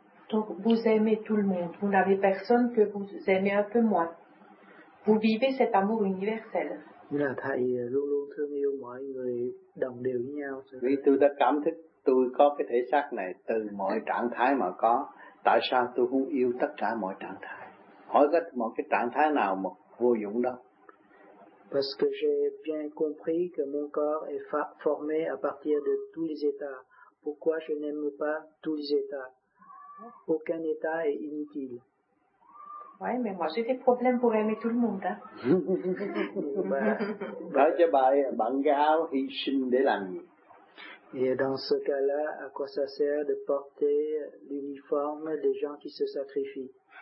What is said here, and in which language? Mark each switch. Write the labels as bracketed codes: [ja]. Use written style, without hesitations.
[fr] Donc vous aimez tout le monde, vous n'avez personne que vous aimez un peu moins. Vous vivez cet amour universel. [vi] Là thầy luôn luôn thương yêu mọi người đồng đều với nhau. Vì tôi đã cảm thấy tôi có cái thể xác này từ mọi trạng thái mà có. Tại sao tôi không yêu tất cả mọi trạng thái? Hỏi cách một cái trạng thái nào mà vô dụng đâu? [fr] Parce que j'ai bien compris que mon corps est formé à partir de tous les états. Pourquoi je n'aime pas tous les états? Aucun état est inutile. Oui, mais moi j'ai des problèmes pour aimer tout le monde. Hein? [vi] Nói cho bài, bạn gái hy sinh để làm gì? [fr] Et dans ce cas-là, à quoi ça sert de porter l'uniforme des gens qui se sacrifient?